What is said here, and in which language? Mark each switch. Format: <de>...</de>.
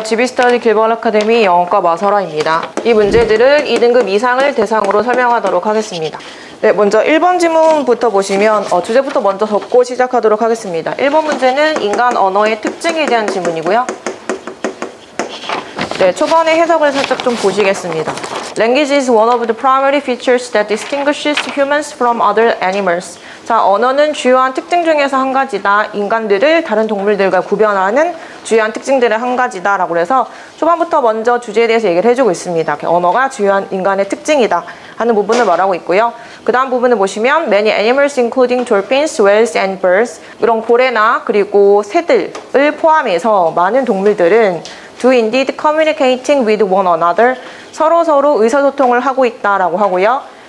<ko>GB 스터디 길벌 아카데미 영어과 마설아입니다. 이 문제들은 2등급 이상을 대상으로 설명하도록 하겠습니다. 네, 먼저 1번 지문부터 보시면 주제부터 먼저 적고 시작하도록 하겠습니다. 1번 문제는 인간 언어의 특징에 대한 지문이고요. 네, 초반에 해석을 살짝 좀 보시겠습니다.</ko> <en>Language is one of the primary features that distinguishes humans from other animals.</en> <ko>자, 언어는 주요한 특징 중에서 한 가지다. 인간들을 다른 동물들과 구별하는 주요한 특징들의 한 가지다. 라고 해서 초반부터 먼저 주제에 대해서 얘기를 해주고 있습니다. 언어가 주요한 인간의 특징이다 하는 부분을 말하고 있고요. 그 다음 부분을 보시면</ko> <en>Many animals including dolphins, whales and birds</en> <ko>이런 고래나 그리고 새들을 포함해서 많은 동물들은</ko> <en>Do indeed communicating with one another</en> <ko>서로서로 의사소통을 하고 있다라고 하고요.</ko>